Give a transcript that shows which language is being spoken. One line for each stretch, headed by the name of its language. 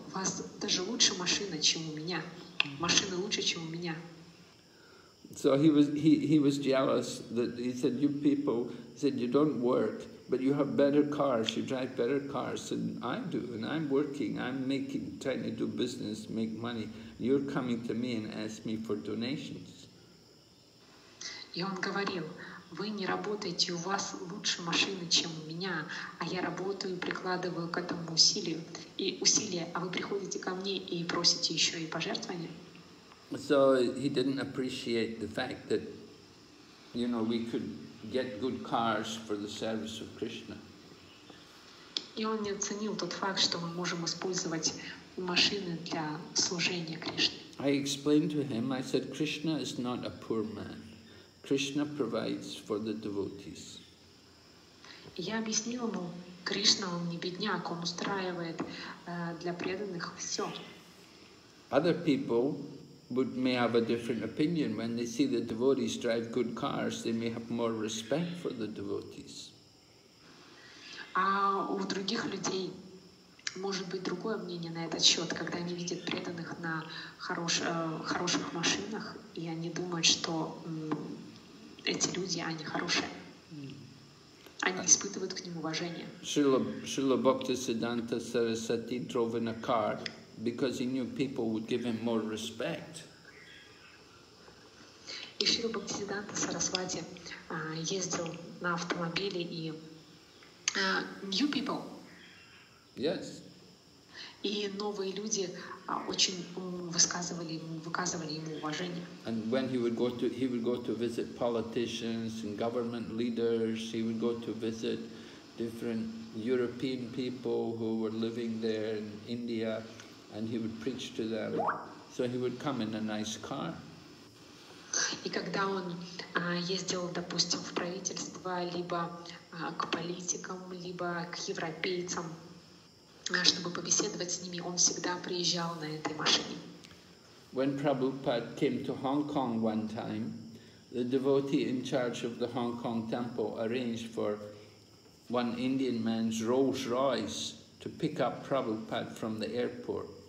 Russian: У вас даже лучше машина, чем у меня. Машины лучше, чем у меня.
English: So he was jealous that he said, you people, he said, you don't work, but you have better cars, you drive better cars than I do, and I'm working, I'm making, trying to do business, make money. You're coming to me and ask me for donations.
Russian: И он говорил, вы не работаете, у вас лучше машины, чем у меня, а я работаю, прикладываю к этому усилия, а вы приходите ко мне и просите еще и пожертвования.
English: So he didn't appreciate the fact that, you know, we could get good cars for the service of Krishna.
Russian: И он не оценил тот факт, что мы можем использовать машины для служения Кришне.
English: I explained to him, I said, Krishna is not a poor man. Krishna provides for the devotees.
Russian: Я объяснил ему, Кришна, он не бедняк, он устраивает для преданных все.
English: Other people may have a different opinion. When they see the devotees drive good cars, they may have more respect for the devotees.
Russian: А у других людей может быть другое мнение на этот счет, когда они видят преданных на хороших машинах, и они думают, что эти люди, они хорошие. Они испытывают к ним уважение.
English: Srila Bhaktisiddhanta Sarasvati drove in a car because he knew people would give him more respect.
Russian: И Шрила Бхактисиддханта Сарасвати ездил на автомобиле и
English: new people. Yes.
Russian: И новые люди очень выказывали ему уважение.
English: And when he would go to visit politicians and government leaders, he would go to visit different European people who were living there in India, and he would preach to them. So he would come in a nice car.
Russian: И когда он ездил, допустим, в правительство, либо к политикам, либо к европейцам, чтобы побеседовать с ними, он всегда приезжал на этой машине.
English: When Prabhupada came to Hong Kong one time, the devotee in charge of the Hong Kong temple arranged for one Indian man's Rolls Royce to pick up Prabhupada from the airport.